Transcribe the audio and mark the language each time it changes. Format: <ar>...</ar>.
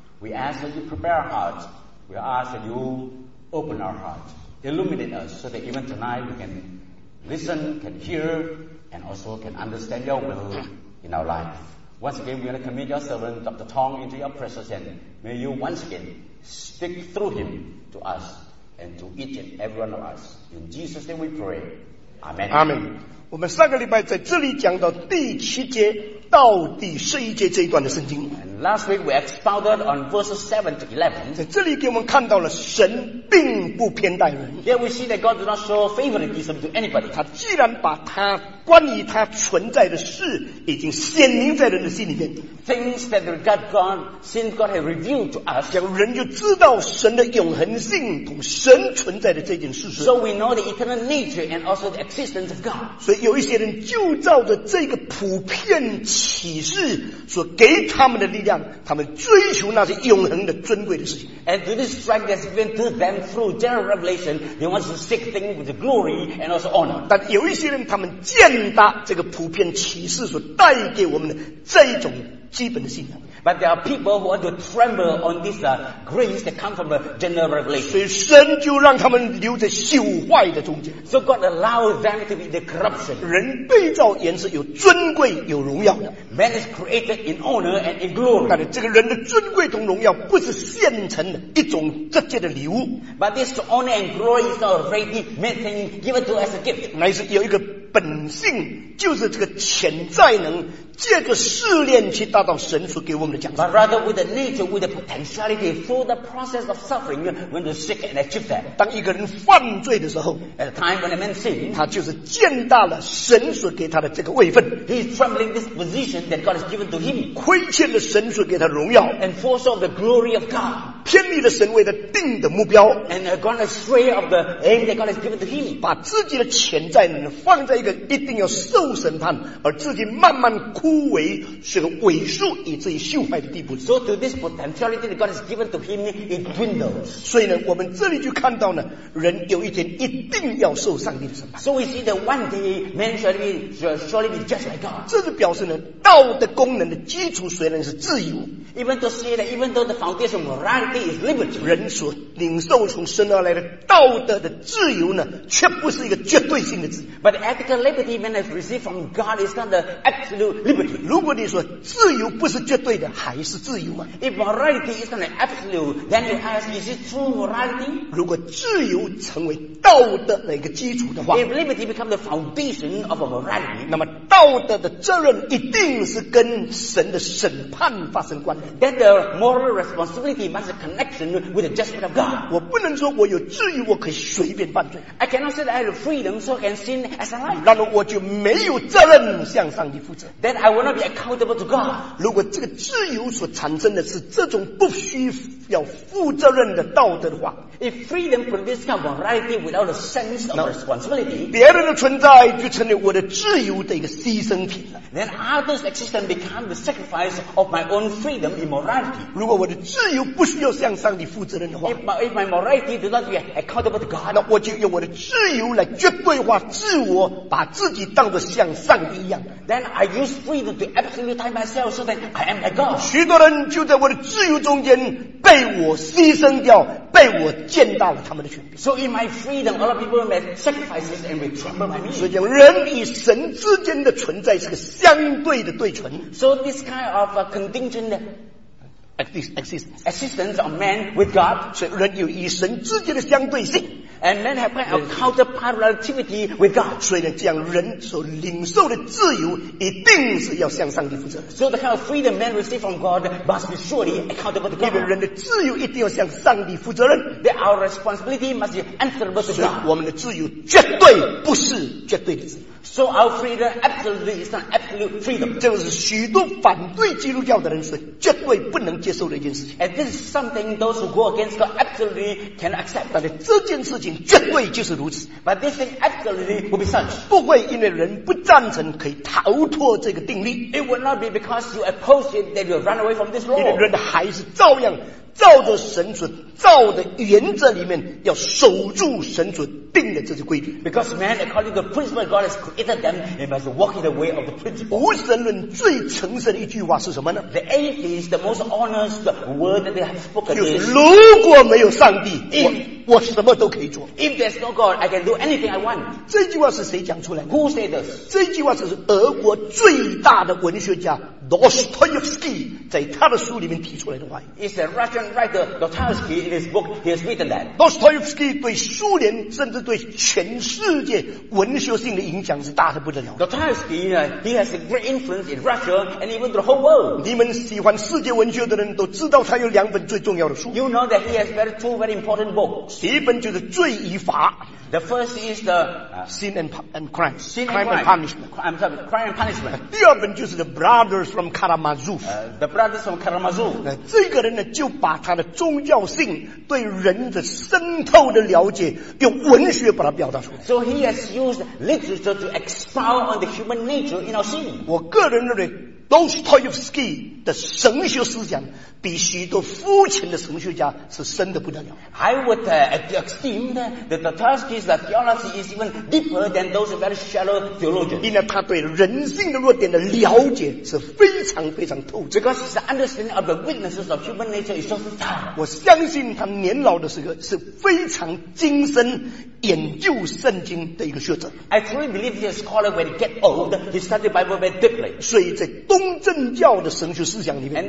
<en>We ask that you prepare our hearts. We ask that you open our hearts, illuminate us, so that even tonight we can listen, can hear, and also can understand your will in our life. Once again, we want to commit your servant, Dr. Tong, into your presence, and may you once again speak through him to us and to each and every one of us. In Jesus' name we pray. Amen. Amen.</en> <zh>我们上个礼拜在这里讲到第七节到第十一节这一段的圣经。</zh> <en>Last week we expounded on verses 7 to 11.</en> <zh>在这里给我们看到了神并不偏待人。</zh> <en>Here we see that God does not show favoritism to anybody.</en> <zh>他既然把他关于他存在的事已经显明在人的心里面。</zh> <en>Things that regard God, since God has revealed to us.</en> <zh>这样人就知道神的永恒性同神存在的这件事实。</zh> <en>So we know the eternal nature and also the existence of God.</en> <zh>所以有一些人就照着这个普遍启示所给他们的力量，他们追求那些永恒的尊贵的事情。</zh> <en>And to this strength that's given to them through general revelation, they want to seek things with the glory and also honor.</en> <zh>但有一些人，他们践踏这个普遍启示所带给我们的这种基本的信仰。</zh> <en>But there are people who want to tremble on this grace that comes from the general revelation.</en> <zh>所以神就让他们留在朽坏的中间。</zh> <en>So God allows them to be the corruption.</en> <zh>人被造原是有尊贵有荣耀的。</zh> <en>Man is created in honor and in glory.</en> <zh>但是这个人的尊贵同荣耀不是现成的一种直接的礼物。</zh> <en>But this honor and glory is not ready made thing given to us a gift.</en> <zh>乃是有一个本性，就是这个潜在能借着试炼去达到神所给我们的奖赏。</zh> <en>But rather with the nature, with the potentiality, through the process of suffering, when to seek and achieve that.</en> <zh>当一个人犯罪的时候</zh> <en>，at the time when a man sins,</en> <zh>他就是践踏了神所给他的这个位分。</zh> <en>He is trembling this position that God has given to him.</en> <zh>亏欠了神所给他的荣耀</zh> <en>，and forsook the glory of God.</en> <zh>偏离了神为他定的目标</zh> <en>and they're gone astray of the aim that God has given to him.</en> <zh>把自己的潜在能放在一个一定要受审判而自己慢慢枯萎是个萎缩以至于朽坏的地步</zh> <en>So to this potentiality that God has given to him it dwindles.</en> <zh>所以呢我们这里就看到呢人有一天一定要受上帝的审判</zh> <en>So we see that one day man shall surely be judged by God.</en> <zh>这是表示呢道的功能的基础虽然是自由</zh> <en>Even though the foundation of morality is liberty,</en> <zh>人所领受从神而来的道德的自由呢，却不是一个绝对性的自由。</zh> <en>But ethical liberty, man has received from God, is not the absolute liberty.</en> <zh>如果你说自由不是绝对的，还是自由吗</zh> <en>？If morality is not absolute, then you ask, is it true morality?</en> <zh>如果自由成为道德的一个基础的话</zh> <en>，If liberty becomes the foundation of a morality,</en> <zh>那么道德的责任一定是跟神的审判发生关联。</zh> <en>Then the moral responsibility must have connection with the judgment of God.</en> <zh>我不能说我有自由，我可以随便犯罪。</zh> <en>I cannot say that I have freedom, so I can sin as I like.</en> <zh>那么我就没有责任向上帝负责。</zh> <en>Then I will not be accountable to God.</en> <zh>如果这个自由所产生的是这种不需要负责任的道德的话</zh> <en>，If freedom produces kind of morality without a sense of responsibility,</en> <zh>别人的存在就成了我的自由的一个牺牲品了。</zh> <en>Then others' existence becomes the sacrifice of my own freedom in morality.</en> <zh>如果我的自由不需要向上帝负责任的话</zh> <en>，If my morality does not be accountable to God,</en> <zh>那我就用我的自由来绝对化自我，把自己当作像上帝一样。</zh> <en>Then I use freedom to absolutize myself so that I am like God.</en> <zh>许多人就在我的自由中间被我牺牲掉，被我践踏了他们的权柄。</zh> <en>So in my freedom, a lot of people make sacrifices and will trample my knees.</en> <zh>所以讲，人与神之间的存在是个相对的对存。</zh> <en>So this kind of a contingent existence of man with God.</en> <zh>所以人有与神之间的相对性。</zh> <en>And men have kind of counterpart relativity with God.</en> <zh>所以呢，这样人所领受的自由一定是要向上帝负责。</zh> <en>So the kind of freedom man receive from God must be surely accountable to God.</en> <zh>因为人的自由一定要向上帝负责任。</zh> <en>That our responsibility must be answerable to God.</en> <zh>所以我们的自由绝对不是绝对的自由。</zh> <en>So our freedom absolutely is not absolute freedom.</en> <zh>这是许多反对基督教的人是绝对不能接受的一件事情。</zh> <en>And this is something those who go against God absolutely cannot accept.</en> <zh>但是这件事情绝对就是如此。</zh> <en>But this thing absolutely will be such.</en> <zh>不会因为人不赞成可以逃脱这个定律。</zh> <en>It will not be because you oppose it that you run away from this law.</en> <zh>因为人还是照样照着神所造的原则里面要守住神所定的这些规矩</zh> <en>because man according to the principle God has created them they must walk in the way of the principle</en> <zh>无神论最诚实的一句话是什么呢</zh> <en>the atheist the most honest word that they have spoken</en> <zh>就是如果没有上帝 我什么都可以做</zh> <en>if there's no God I can do anything I want</en> <zh>这句话是谁讲出来的</zh> <en>who said this</en> <zh>这句话是俄国最大的文学家Dostoevsky 在他的书里面提出来的话</zh> <en>It's a Russian writer Dostoevsky in his book he has written that</en> <zh>Dostoevsky 对苏联甚至对全世界文学性的影响是大得不得了</zh> <en>Dostoevsky he has a great influence in Russia and even the whole world</en> <zh>你们喜欢世界文学的人都知道他有两本最重要的书</zh> <en>You know that he has two very important books</en> <zh>第一本就是罪与罚</zh> <en>The first is the Sin and Crime Sin and Crime and Punishment I'm sorry Crime and Punishment</en> <zh>第二本就是 The Brothers from Karamazov</zh> <en>the brothers from Karamazov</en> <zh>这个人呢就把他的宗教性对人的渗透的了解用文学把它表达出来</zh> <en>so he has used literature to expound on the human nature in our sin</en> <zh>我个人认为 Dostoevsky 的神学思想比许多肤浅的神学家是深得不得了</zh> <en>I would esteem that Dostoevsky's theology is even deeper than those very shallow theologians</en> <zh>因为他对人性的弱点的了解是非常非常透彻</zh> <en>because his understanding of the weaknesses of human nature is so thorough</en> <zh>我相信他年老的时候是非常精深研究圣经的一个学者</zh> <en>I truly believe he's a scholar when he gets old he studied the Bible very deeply</en> <zh>所以在东正教的神学思想里面</zh>